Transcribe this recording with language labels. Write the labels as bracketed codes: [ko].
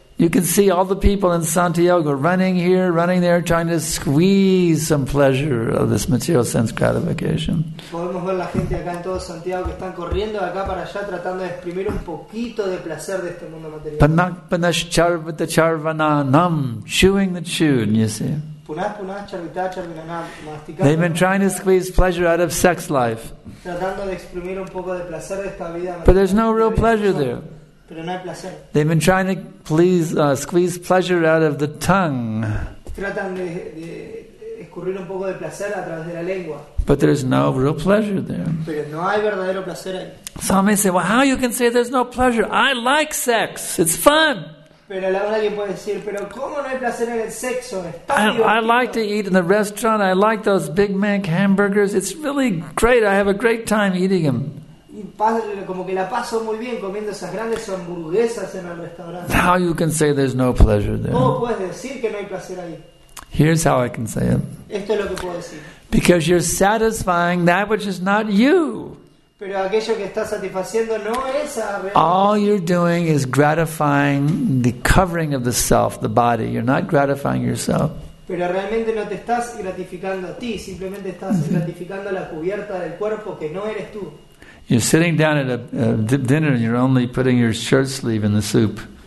[en] You can see all the people in Santiago running here, running there, trying to squeeze some pleasure of this material sense gratification. [es] Podemos ver la gente acá en todo Santiago que están corriendo acá para allá tratando de exprimir un poquito de placer de este mundo material. [sa] Punak punash charvita charvana nam, [en] chewing the chewed, you see. [sa] Punak punash charvita charvana nam, masticando. [en] They've been trying to squeeze pleasure out of sex life. [es] Tratando de exprimir un poco de placer de esta vida. [en] But there's no real pleasure there. [es] Pero no hay placer. [en] They've been trying to please squeeze pleasure out of the tongue. [es] Tratan de escurrir un poco de placer a través de la lengua. [en] But there's no real pleasure there. [es] Pero no hay verdadero placer ahí. [en] Some may say, well, how you can say there's no pleasure? I like sex. It's fun. [es] Pero la verdad que puede decir, pero ¿cómo no hay placer en el sexo? [en] I like to eat in the restaurant. I like those Big Mac hamburgers. It's really great. I have a great time eating them. [es] Como que la paso muy bien comiendo esas grandes hamburguesas en el restaurante. [en] How you can say there's no pleasure there? [es] ¿Cómo puedes decir que no hay placer ahí? [en] Here's how I can say it. [es] Esto es lo que puedo decir. [en] Because you're satisfying that which is not you. [es] Pero aquello que estás satisfaciendo no es a realidad. [en] All you're doing is gratifying the covering of the self, the body. You're not gratifying yourself. [es] Pero realmente no te estás gratificando a ti, simplemente estás gratificando la cubierta del cuerpo que no eres tú. [en] You're sitting down at a dinner and you're only putting your shirt sleeve in the soup.